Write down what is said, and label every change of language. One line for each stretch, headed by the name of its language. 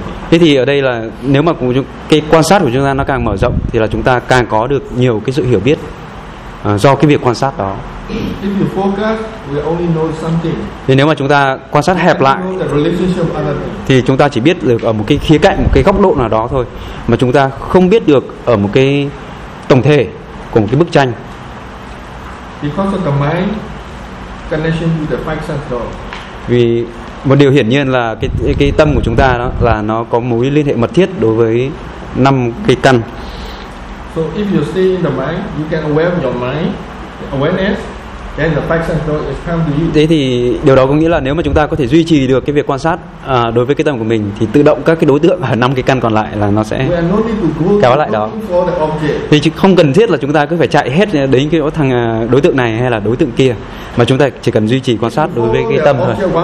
Vietnamese: Thế thì ở đây là nếu mà cái quan sát của chúng ta nó càng mở rộng thì là chúng ta càng có được nhiều cái sự hiểu biết do cái việc quan sát đó.
English: If you focus, we only know something.
Vietnamese: Thì nếu mà chúng ta quan sát hẹp lại thì chúng ta chỉ biết được ở một cái khía cạnh, một cái góc độ nào đó thôi, mà chúng ta không biết được ở một cái tổng thể của một cái bức tranh.
English: Because of the mind connection to the five sense door.
Vietnamese: Vì một điều hiển nhiên là cái tâm của chúng ta đó là nó có mối liên hệ mật thiết đối với năm cái căn.
English: So if you stay in the mind, you can aware of your mind, awareness, then the five senses come to you.
Vietnamese: Thế thì điều đó có nghĩa là nếu mà chúng ta có thể duy trì được cái việc quan sát đối với cái tâm của mình thì tự động các cái đối tượng ở năm cái căn còn lại là nó sẽ kéo lại đó. Thì không cần thiết là chúng ta cứ phải chạy hết đến cái thằng đối tượng này hay là đối tượng kia, mà chúng ta chỉ cần duy trì quan sát đối với cái tâm thôi.